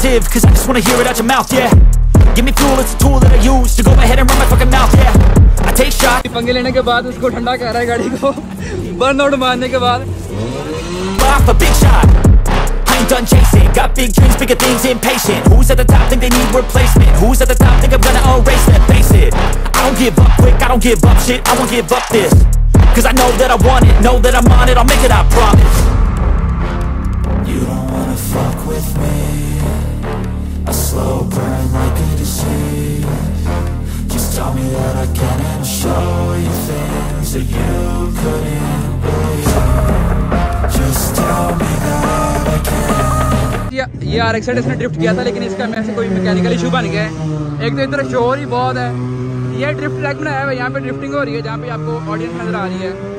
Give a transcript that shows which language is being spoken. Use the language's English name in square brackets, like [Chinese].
[English] Cause I just wanna hear it out your mouth, yeah. Give me fuel, it's a tool that I use to go ahead and run my fucking mouth, yeah. I take shots. [Hindi] पंगे लेने के बाद उसको ठंडा कर रहा है गाड़ी को, बर्नआउट मारने के बाद. [English] Pop a big shot. Done chasing, got big dreams, bigger things, impatient. Who's at the top think they need replacement? Who's at the top think I'm gonna erase them? Face it, I don't give up quick, I don't give up shit, I won't give up this. Cause I know that I want it, know that I'm on it, I'll make it, I promise. You don't wanna fuck with me. A slow burn like a disease. Just tell me that I can and show you things that you couldn't believe. Just tell me that I can. [Hindi] ये RX इसने drift किया था, लेकिन इसका मैं से कोई mechanical issue बन गया है। एक तो इधर शोर ही बहुत है, ये ड्रिफ्ट ट्रैक बनाया है, यहाँ पे ड्रिफ्टिंग हो रही है, जहाँ पे आपको ऑडियंस नजर आ रही है।